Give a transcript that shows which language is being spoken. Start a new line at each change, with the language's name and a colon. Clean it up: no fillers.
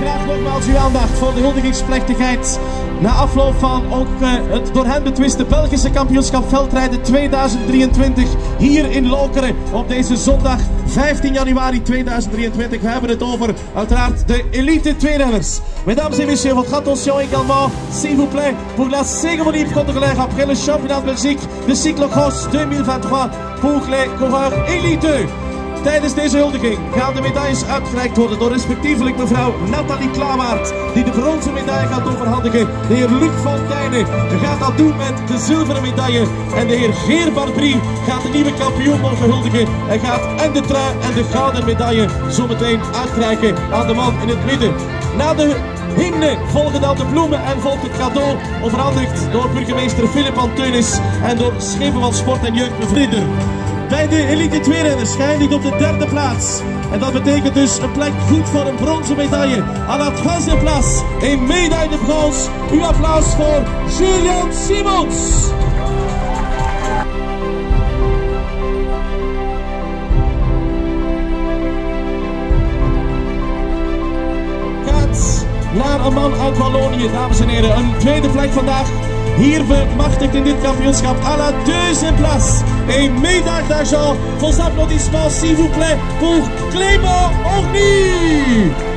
Dutch: Graag nogmaals uw aandacht voor de huldigingsplechtigheid. Na afloop van ook het door hen betwiste Belgische kampioenschap veldrijden 2023 hier in Lokeren op deze zondag 15 januari 2023. We hebben het over uiteraard de elite 2-renners.
French: Mesdames et messieurs, votre attention également, s'il vous plaît, pour la cérémonie pour votre collègue après le championnat de Belgique de cyclocross 2023 pour les coureurs élite.
Dutch: Tijdens deze huldiging gaan de medailles uitgereikt worden door respectievelijk mevrouw Nathalie Klaamaert, die de bronzen medaille gaat overhandigen. De heer Luc Fontaine gaat dat doen met de zilveren medaille. En de heer Geer Barbry gaat de nieuwe kampioen mogen huldigen. Hij gaat en de trui en de gouden medaille zometeen uitreiken aan de man in het midden. Na de hymne volgen dan de bloemen en volgt het cadeau, overhandigd door burgemeester Philip van Teunis en door schepen van sport en jeugd bevrienden. Bij de elite 2-renners geëindigd op de 3e plaats. En dat betekent dus een plek goed voor een bronzen medaille.
French: A la
Dutch: 3e plaats, een medaille de brons. Uw applaus voor Julian Simons. Gaat naar een man uit Wallonië, dames en heren. Een tweede plek vandaag. Hier bemachtigd in dit kampioenschap
French: à la 2e place.
Dutch: Een medaille
French: d'argent. Vos applaudissements, s'il vous plaît, pour Clément Orny.